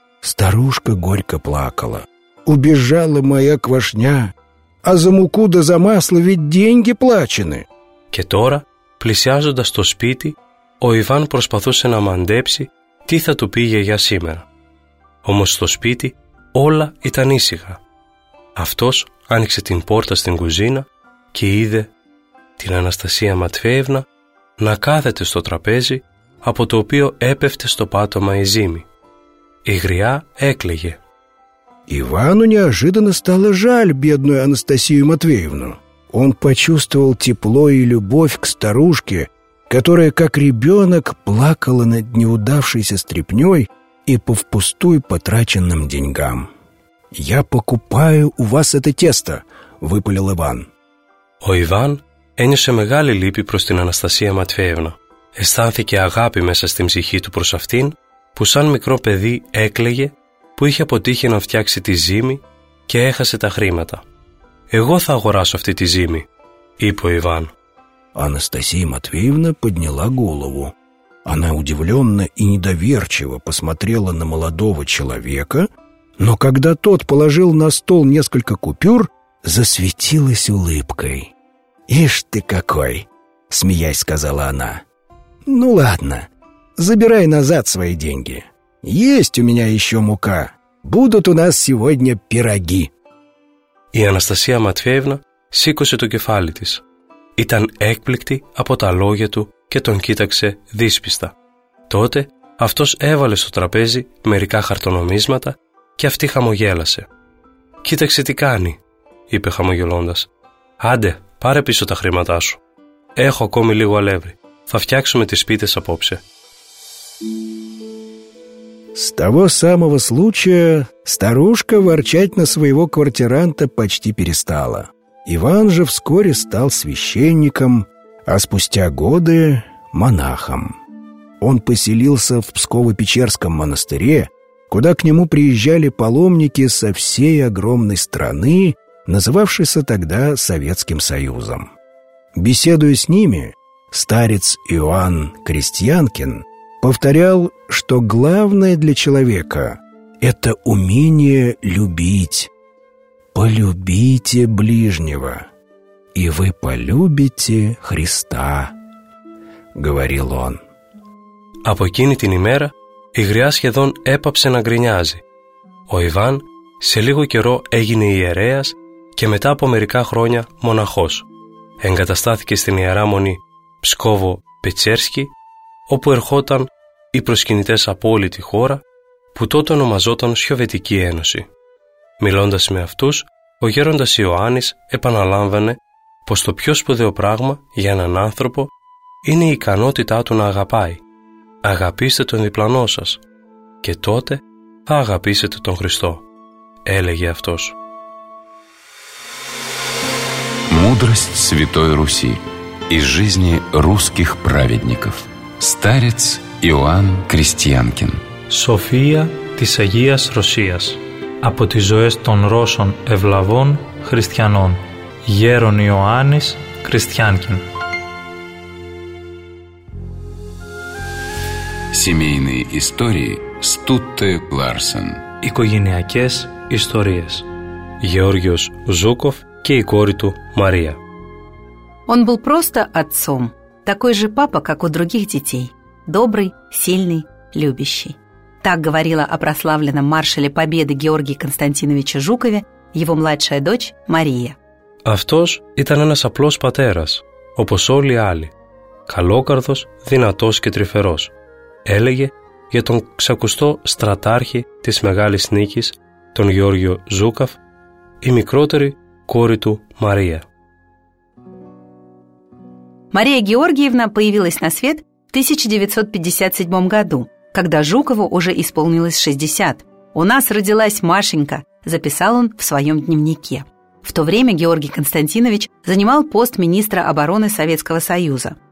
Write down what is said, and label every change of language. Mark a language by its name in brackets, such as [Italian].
[Russian] Старушка горько плакала. «Убежала моя квашня! А за муку да за масло ведь деньги плачены!» [Greek] Και τώρα, πλησιάζοντας το σπίτι, ο Ιβάν προσπαθούσε να μαντέψει τι θα του πει η γιαγιά σήμερα. Όμως στο σπίτι όλα ήταν ήσυχα. Αυτός άνοιξε την πόρτα στην κουζίνα και είδε την Αναστασία Ματφέευνα να κάθεται στο τραπέζι από το οποίο έπεφτε στο πάτωμα η ζύμη. Η γριά έκλαιγε. [Russian] Ивану неожиданно стало жаль бедную Анастасию Матвеевну. Он почувствовал тепло и любовь к старушке, которая, как ребенок, плакала над неудавшейся стряпней и по впустую потраченным деньгам. «Я покупаю у вас это тесто», — выпалил Иван. [Greek] Ο Иван ένιωσε μεγάλη λύπη προς την Αναστασία Ματφέευνα. Αισθάνθηκε αγάπη μέσα στην ψυχή του προς αυτήν, που σαν μικρό παιδί έκλαιγε, που είχε αποτύχει να φτιάξει τη ζύμη και έχασε τα χρήματα. «Εγώ θα αγοράσω αυτή τη ζύμη», είπε ο Ιβάν. [Russian] Αναστασία Ματвеевна подняла голову. Она удивленно и недоверчиво посмотрела на молодого человека, но когда тот положил на стол несколько купюр, засветилась улыбкой. «Ишь ты какой!» — смеясь сказала она. «Ну ладно, забирай назад свои деньги». «Есть у меня еще мука. Будут у нас сегодня пироги». [Greek] Η Αναστασία Ματφέευνα σήκωσε το κεφάλι της. Ήταν έκπληκτη από τα λόγια του και τον κοίταξε δύσπιστα. Τότε αυτός έβαλε στο τραπέζι μερικά χαρτονομίσματα και αυτή χαμογέλασε. «Κοίταξε τι κάνει», είπε χαμογελώντας. «Άντε, πάρε πίσω τα χρήματά σου. Έχω ακόμη λίγο αλεύρι. Θα φτιάξουμε τις πίτες απόψε». [Russian] С того самого случая старушка ворчать на своего квартиранта почти перестала. Иван же вскоре стал священником, а спустя годы – монахом. Он поселился в Псково-Печерском монастыре, куда к нему приезжали паломники со всей огромной страны, называвшейся тогда Советским Союзом. Беседуя с ними, старец Иоанн Крестьянкин повторял, что главное для человека – это умение любить. «Полюбите ближнего, и вы полюбите Христа», – говорил он. [Greek] Από εκείνη την ημέρα η γριά σχεδόν έπαψε να γκρινιάζει. Ο Ιβάν σε λίγο καιρό έγινε ιερέας και μετά από μερικά χρόνια μοναχός. Εγκαταστάθηκε στην Ιερά Μονή Ψκόβο-Πετσέρσκι, όπου ερχόταν οι προσκυνητές από όλη τη χώρα, που τότε ονομαζόταν Σοβιετική Ένωση. Μιλώντας με αυτούς, ο γέροντας Ιωάννης επαναλάμβανε πως το πιο σπουδαίο πράγμα για έναν άνθρωπο είναι η ικανότητά του να αγαπάει. «Αγαπήστε τον διπλανό σας και τότε θα αγαπήσετε τον Χριστό», έλεγε αυτός. [Russian] Мудрость Святой Руси из жизни русских праведников. Старец Иоанн Крестьянкин. [Greek] София της Αγίας Ρωσίας. Από τις ζωές των Ρώσων ευλαβών χριστιανών. Γέρον Ιωάννης Крестьянкин. [Russian] Семейные истории Стутте Ларсен. [Greek] Οικογενειακές ιστορίες. Γεώργιος Ζούκοφ και η κόρη του Μαρία. [Russian] Он был просто отцом, такой же папа, как у других детей. Добрый, сильный, любящий. Так говорила о прославленном маршале Победы Георгии Константиновича Жукове его младшая дочь Мария. [Greek] Αυτός ήταν ένας απλός πατέρας, όπως όλοι οι άλλοι. Καλόκαρδος, δυνατός και τρυφερός. Έλεγε για τον ξακουστό στρατάρχη της Μεγάλης Νίκης, τον Γεώργιο Ζούκαφ, η μικρότερη κόρη του Μαρία. [Russian] Мария Георгиевна появилась на свет в 1957 году, когда Жукову уже исполнилось 60. «У нас родилась Машенька», – записал он в своем дневнике. В то время Георгий Константинович занимал пост министра обороны Советского Союза.